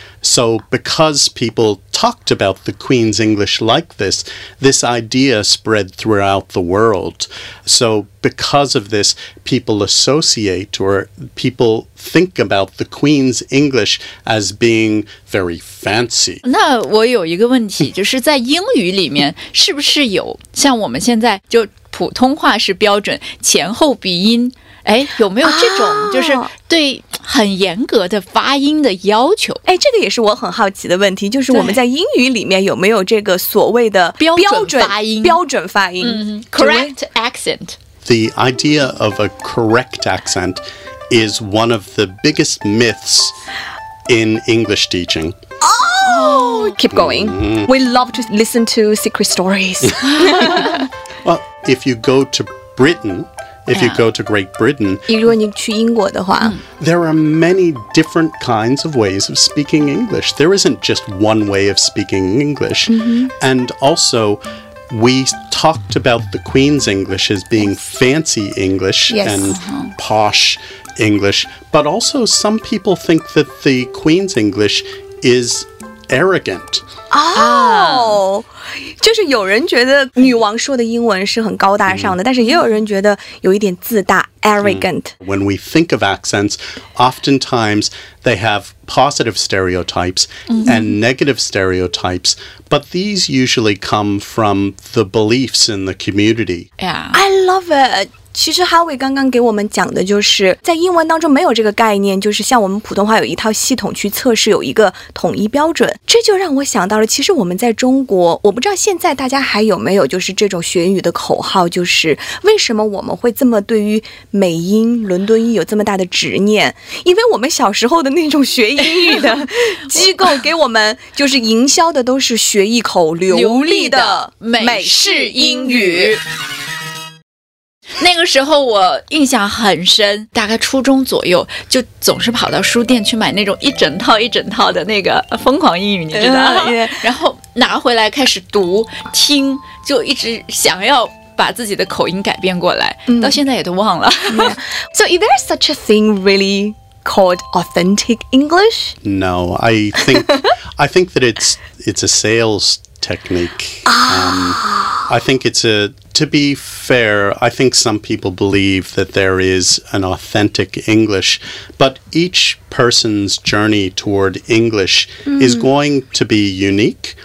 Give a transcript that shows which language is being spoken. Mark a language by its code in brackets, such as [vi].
[en] So because people talked about the Queen's English like this, this idea spread throughout the world. So because of this, people associate or people think about the Queen's English as being very fancy. [zh] 那我有一个问题，就是在英语里面是不是有像我们现在就普通话是标准前后鼻音哎，有没有这种就是对很严格的发音的要求哎，这个也是我很好奇的问题就是我们在英语里面有没有这个所谓的标准发音、嗯、 [en] Correct accent The idea of a correct accent is one of the biggest myths in English teaching Keep going、mm-hmm. We love to listen to secret stories Well, if you go to Britain If you go to Great Britain, [zh] 如果你去英国的话 [en] there are many different kinds of ways of speaking English. There isn't just one way of speaking English. Mm-hmm. And also, we talked about the Queen's English as being fancy English yes. and posh English. But also, some people think that the Queen's English is arrogant. Oh! [zh] 就是有人觉得女王说的英文是很高大上的、嗯、但是也有人觉得有一点自大 arrogant、 [en] 嗯、When we think of accents oftentimes they have positive stereotypes、嗯、 and negative stereotypes but these usually come from the beliefs in the community、 yeah. I love it [zh] 其实 Howie 刚刚给我们讲的就是在英文当中没有这个概念就是像我们普通话有一套系统去测试有一个统一标准这就让我想到了其实我们在中国我不知道现在大家还有没有就是这种学英语的口号就是为什么我们会这么对于美音伦敦音有这么大的执念因为我们小时候的那种学英语的机构给我们就是营销的都是学一口流利的美式英语那个时候我印象很深大概初中左右就总是跑到书店去买那种一整套一整套的那个疯狂英语你知道吗、 [en] yeah. [zh] 然后拿回来开始读听就一直想要把自己的口音改变过来、嗯、到现在也都忘了、 [en] yeah. So is there such a thing really called authentic English? No, I think that it's a sales technique. I think it's a, to be fair, I think some people believe that there is an authentic English, but each person's journey toward English is going to be unique.